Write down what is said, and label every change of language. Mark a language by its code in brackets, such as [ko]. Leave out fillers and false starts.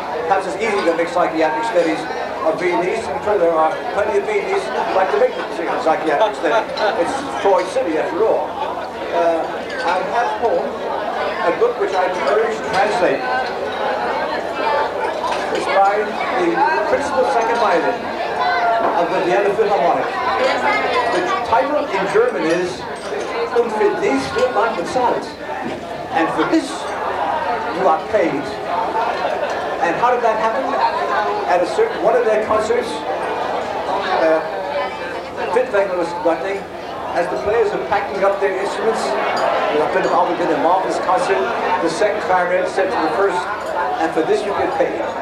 [en] Perhaps it's easy to make psychiatric studies of Viennese, and there are plenty of Viennese who like to make the psychiatric study. It's Freud City, after all. I have home a book which I encourage to translate. It's by the principal second violin of the Vienna Philharmonic. The title in German is [de] Und für dies wird man bezahlt. [en] And for this, you are paid. And how did that happen? At a certain one of their concerts, Fitwanger was conducting. As the players are packing up their instruments, probably been a marvelous concert, the second clarinet said to the first, and for this you get paid.